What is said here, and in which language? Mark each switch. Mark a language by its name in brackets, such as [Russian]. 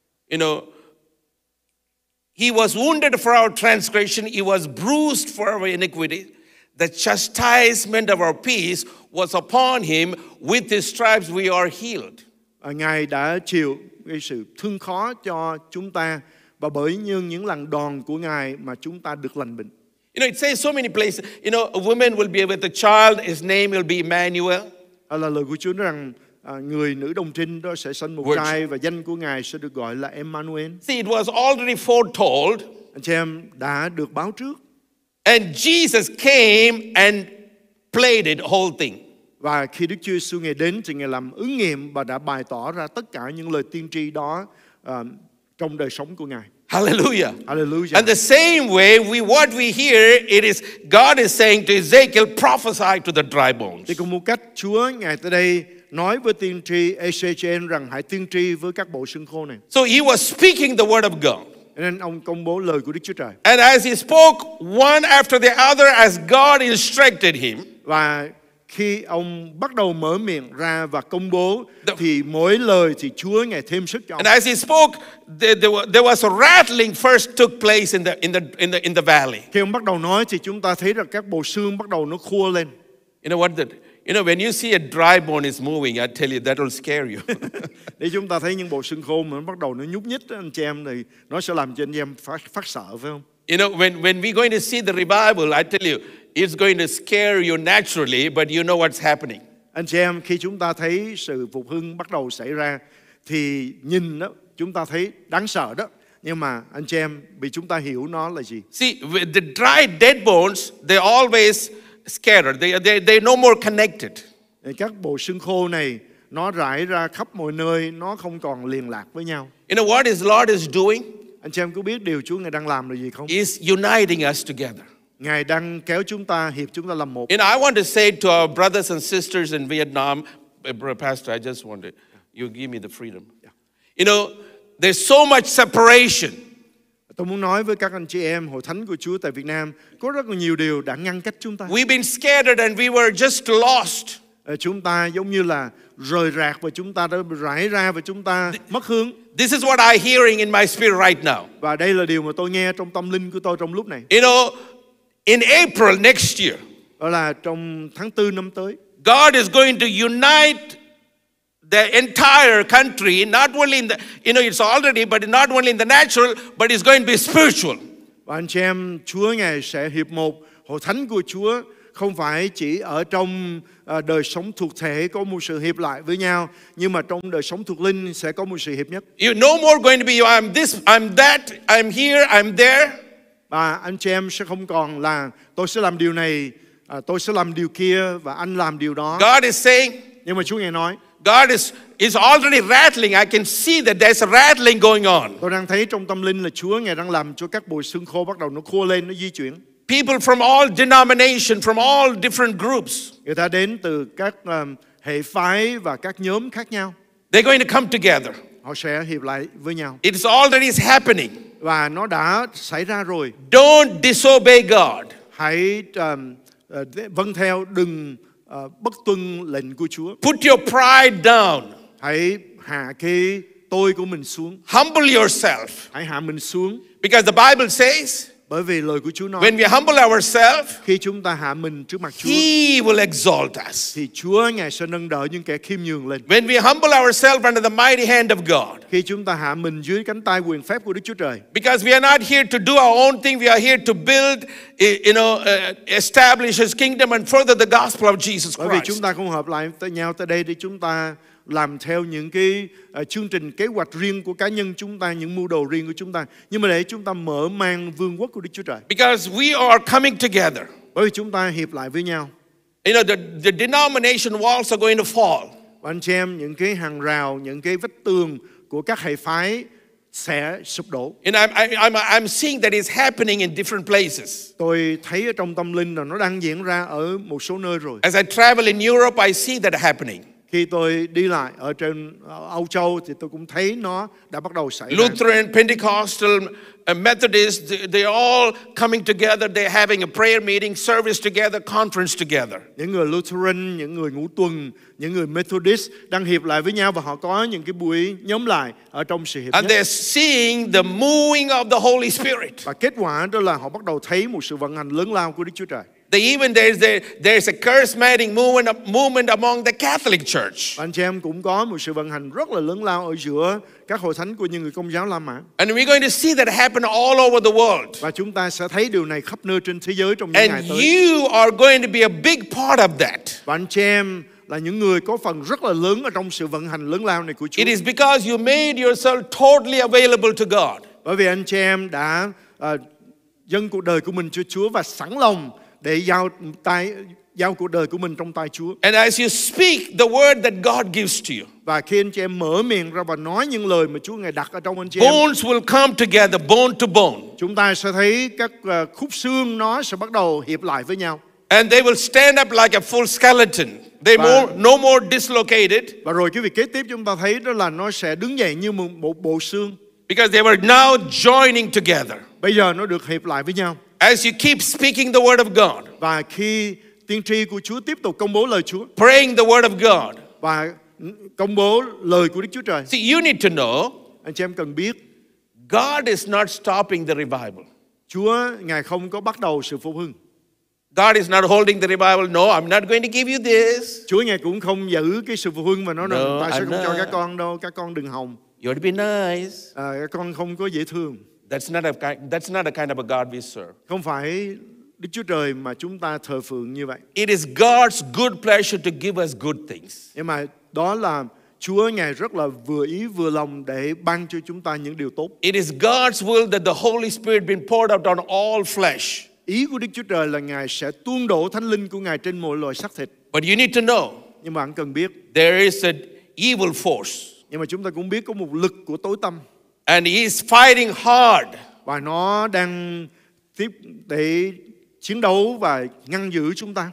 [English] You know, he was wounded for our transgression, he was bruised for our iniquity. The chastisement of our peace was upon him, with his stripes we are healed. [Vietnamese] Ngài đã chịu cái sự thương khó cho chúng ta, và bởi những lần đòn của Ngài mà chúng ta được lành bệnh. [English] You know, it says so many places, you know, a woman will be with a child, his name will be Emmanuel. [Vietnamese] Là lời của Chúa nói rằng người nữ đồng trinh đó sẽ sinh một trai và danh của Ngài sẽ được gọi là Emmanuel. [English] See, it was already foretold. [Vietnamese] Anh chị em, đã được báo trước. [English] And Jesus came and played it whole thing. [Vietnamese] Và khi Đức Chúa Jesus ngài đến thì ngài làm ứng nghiệm và đã bày tỏ ra tất cả những lời tiên tri đó trong đời sống của ngài. [English] Hallelujah. Hallelujah. And the same way what we hear, it is God is saying to Ezekiel, prophesy to the dry bones. [Vietnamese] Thì cùng một cách Chúa ngài tới đây nói với tiên tri Ezekiel rằng hãy tiên tri với các bộ xương khô này. [English] So he was speaking the word of God. [Vietnamese] Nên ông công bố lời của Đức Chúa Trời. [English] And as he spoke one after the other as God instructed him. [Vietnamese] Và khi ông bắt đầu mở miệng ra và công bố thì mỗi lời thì Chúa ngài thêm sức cho ông. [English] And as he spoke there was a rattling first took place in the valley. [Vietnamese] Khi ông bắt đầu nói thì chúng ta thấy rằng các bộ xương bắt đầu nó khua lên. [English] You know what that? You know, when you see a dry bone is moving, I tell you, that will scare you. [Vietnamese] Để chúng ta thấy những bộ xương khô mà nó bắt đầu nó nhúc nhích, anh chị em, thì nó sẽ làm cho anh em phát sợ, phải không? [English] You know, when we're going to see the revival, I tell you, it's going to scare you naturally, but you know what's happening. [Vietnamese] Anh chị em, khi chúng ta thấy sự phục hưng bắt đầu xảy ra, thì nhìn đó, chúng ta thấy đáng sợ đó. Nhưng mà anh chị em, vì chúng ta hiểu nó là gì? [English] See, the dry dead bones, they always scattered. They no more connected. [Vietnamese] Các bộ xương khô này nó rải ra khắp mọi nơi, nó không còn liên lạc với nhau. [English] You know what is Lord is doing? [Vietnamese] Anh chị em có biết điều Chúa ngài đang làm là gì không? [English] Is uniting us together. [Vietnamese] Ngài đang kéo chúng ta, hiệp chúng ta làm một. [English] And I want to say to our brothers and sisters in Vietnam, Pastor, I just want to, you give me the freedom. Yeah. You know, there's so much separation. [Vietnamese] Tôi muốn nói với các anh chị em hội thánh của Chúa tại Việt Nam, có rất là nhiều điều đã ngăn cách chúng ta. [English] We've been scattered and we were just lost. [Vietnamese] Chúng ta giống như là rời rạc và chúng ta đã rải ra và chúng ta mất hướng. [English] This is what I hearing in my spirit right now. [Vietnamese] Và đây là điều mà tôi nghe trong tâm linh của tôi trong lúc này. [English] You know, in April next year. [Vietnamese] Đó là trong tháng 4 năm tới. [English] God is going to unite the entire country, not only in the, you know, it's already, but not only in the natural, but it's going to be spiritual. [Vietnamese] Và anh chị em, Chúa ngài sẽ hiệp một hội thánh của Chúa, không phải chỉ ở trong đời sống thuộc thể có một sự hiệp lại với nhau, nhưng mà trong đời sống thuộc linh sẽ có một sự hiệp nhất. [English] You no more going to be, I'm this, I'm that, I'm here, I'm there. [Vietnamese] Và anh chị em sẽ không còn là tôi sẽ làm điều này, tôi sẽ làm điều kia và anh làm điều đó. [English] God is saying. [Vietnamese] Nhưng mà Chúa ngài nói. [English] God is already rattling. I can see that there's a rattling going on. [Vietnamese] Tôi đang thấy trong tâm linh là Chúa ngài đang làm cho các bộ xương khô bắt đầu nó khô lên, nó di chuyển. [English] People from all denominations, from all different groups. [Vietnamese] Người ta đến từ các hệ phái và các nhóm khác nhau. [English] They're going to come together. [Vietnamese] Họ sẽ hiệp lại với nhau. [English] It's already happening. [Vietnamese] Và nó đã xảy ra rồi. [English] Don't disobey God. [Vietnamese] Hãy vâng theo, đừng bất tuân lệnh của Chúa. [English] Put your pride down. [Vietnamese] Hãy hạ cái tôi của mình xuống. [English] Humble yourself. [Vietnamese] Hãy hạ mình xuống. [English] Because the Bible says, [Vietnamese] bởi vì lời của Chúa nói, [English] when we humble ourselves, [Vietnamese] khi chúng ta hạ mình trước mặt Chúa, [English] He will exalt us. [Vietnamese] Thì Chúa Ngài sẽ nâng đỡ những kẻ khiêm nhường lên. [English] When we humble ourselves under the mighty hand of God, [Vietnamese] khi chúng ta hạ mình dưới cánh tay quyền phép của Đức Chúa Trời. [English] Because we are not here to do our own thing, we are here to build, you know, establish His kingdom and further the gospel of Jesus Christ. [Vietnamese] Bởi vì chúng ta không hợp lại với nhau tới đây để chúng ta làm theo những cái chương trình kế hoạch riêng của cá nhân chúng ta, những mưu đồ riêng của chúng ta, nhưng mà để chúng ta mở mang vương quốc của Đức Chúa Trời. [English] Because we are coming together. [Vietnamese] Bởi vì chúng ta hiệp lại với nhau. [English] You know, the denomination walls are going to fall. [Vietnamese] Và anh chị em, những cái hàng rào, những cái vách tường của các hệ phái sẽ sụp đổ. [English] And I'm seeing that it's happening in different places. [Vietnamese] Tôi thấy ở trong tâm linh là nó đang diễn ra ở một số nơi rồi. [English] As I travel in Europe, I see that happening. [Vietnamese] Khi tôi đi lại ở trên Âu Châu thì tôi cũng thấy nó đã bắt đầu xảy ra. [English] Lutheran, Pentecostal, Methodist, they all coming together, they having a prayer meeting, service together, conference together. [Vietnamese] Những người Lutheran, những người ngũ tuần, những người Methodist đang hiệp lại với nhau và họ có những cái buổi nhóm lại ở trong sự hiệp nhất. [English] And they're seeing the moving of the Holy Spirit. [Vietnamese] Và kết quả đó là họ bắt đầu thấy một sự vận hành lớn lao của Đức Chúa Trời. [English] There's a charismatic movement among the Catholic Church. [Vietnamese] Anh chị em cũng có một sự vận hành rất là lớn lao ở giữa các hội thánh của những người Công giáo La Mã. [English] And we're going to see that happen all over the world. [Vietnamese] Và chúng ta sẽ thấy điều này khắp nơi trên thế giới trong những ngày tới. [English] And you are going to be a big part of that. [Vietnamese] Và anh chị em là những người có phần rất là lớn ở trong sự vận hành lớn lao này của Chúa. [English] It is because you made yourself totally available to God. [Vietnamese] Bởi vì anh chị em đã dâng cuộc đời của mình cho Chúa và sẵn lòng để giao cuộc đời của mình trong tay Chúa. [English] And as you speak the word that God gives to you. [Vietnamese] Và khi anh chị em mở miệng ra và nói những lời mà Chúa Ngài đặt ở trong anh chị em. [English] Bones will come together, bone to bone. [Vietnamese] Chúng ta sẽ thấy các khúc xương nó sẽ bắt đầu hiệp lại với nhau. [English] And they will stand up like a full skeleton. They will no more dislocated. [Vietnamese] Và rồi cái việc kế tiếp chúng ta thấy đó là nó sẽ đứng dậy như một bộ xương. [English] Because they were now joining together. [Vietnamese] Bây giờ nó được hiệp lại với nhau. [English] As you keep speaking the word of God, [Vietnamese] và khi tiên tri của Chúa tiếp tục công bố lời Chúa, [English] praying the word of God, [Vietnamese] và công bố lời của Đức Chúa Trời. [English] See, you need to know, [Vietnamese] anh chị em cần biết, [English] God is not stopping the revival. [Vietnamese] Chúa Ngài không có bắt đầu sự phục hưng. [English] God is not holding the revival. No, I'm not going to give you this. [Vietnamese] Chúa Ngài cũng không giữ cái sự phục hưng mà nói rằng ta sẽ không cho các con đâu, các con đừng hòng. [English] You'd be nice. [Vietnamese] Các con không có dễ thương. [English] That's not a kind of a God we serve. [Vietnamese] Không phải Đức Chúa Trời mà chúng ta thờ phượng như vậy. [English] It is God's good pleasure to give us good things. [Vietnamese] Nhưng mà đó là Chúa Ngài rất là vừa ý vừa lòng để ban cho chúng ta những điều tốt. [English] It is God's will that the Holy Spirit be poured out on all flesh. [Vietnamese] Ý của Đức Chúa Trời là Ngài sẽ tuôn đổ Thánh Linh của Ngài trên mọi loài xác thịt. [English] But you need to know. [Vietnamese] Nhưng mà anh cần biết. [English] There is an evil force. [Vietnamese] Nhưng mà chúng ta cũng biết có một lực của tối tăm. [English] And he is fighting hard. [Vietnamese] Và nó đang tiếp để chiến đấu và ngăn giữ chúng ta.